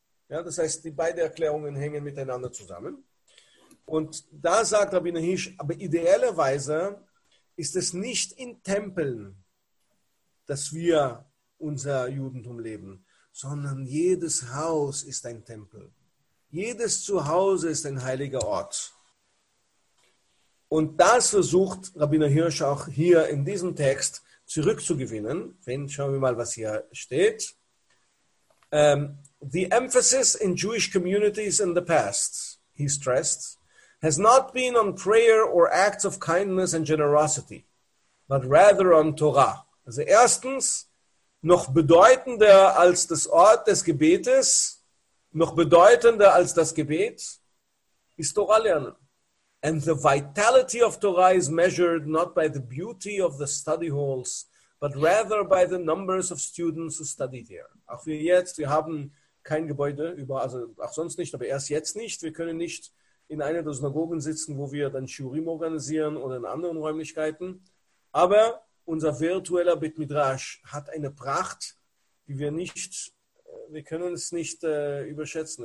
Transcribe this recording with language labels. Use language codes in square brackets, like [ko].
[de] Ja, das heißt, die beiden Erklärungen hängen miteinander zusammen. Und da sagt Rabbiner Hirsch, aber ideellerweise ist es nicht in Tempeln, dass wir unser Judentum leben, sondern jedes Haus ist ein Tempel. Jedes Zuhause ist ein heiliger Ort. Und das versucht Rabbiner Hirsch auch hier in diesem Text zurückzugewinnen. Schauen wir mal, was hier steht. [en] The emphasis in Jewish communities in the past, he stressed, has not been on prayer or acts of kindness and generosity, but rather on Torah. [de] Also erstens, noch bedeutender als das Ort des Gebetes, noch bedeutender als das Gebet, ist Torah lernen. [en] And the vitality of Torah is measured not by the beauty of the study halls, but rather by the numbers of students who study there. [de] Auch wir jetzt, wir haben kein Gebäude, also auch sonst nicht, aber erst jetzt nicht. Wir können nicht in einer der Synagogen sitzen, wo wir dann Shiurim organisieren oder in anderen Räumlichkeiten. Aber unser virtueller Beit Midrash hat eine Pracht, die wir können es nicht überschätzen.